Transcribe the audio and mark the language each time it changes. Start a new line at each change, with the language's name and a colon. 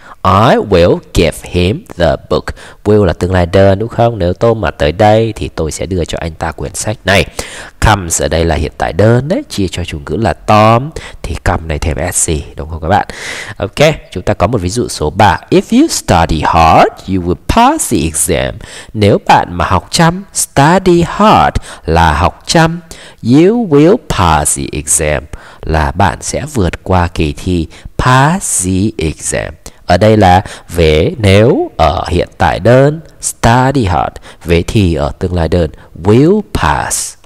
English: I will give him the book.
Vietnamese: Will là tương lai đơn đúng không? Nếu Tom mà tới đây thì tôi sẽ đưa cho anh ta quyển sách này. Comes ở đây là hiện tại đơn đấy, chia cho chủ ngữ là Tom thì come này thêm sc đúng không các bạn? Ok, chúng ta có một ví dụ số 3.
English: If you study hard, you will pass the exam.
Vietnamese: Nếu bạn mà học chăm, study hard là học chăm,
English: you will pass the exam
Vietnamese: là bạn sẽ vượt qua kỳ thi. Pass the exam ở đây là về nếu ở hiện tại đơn, study hard, về thì ở tương lai đơn, will pass.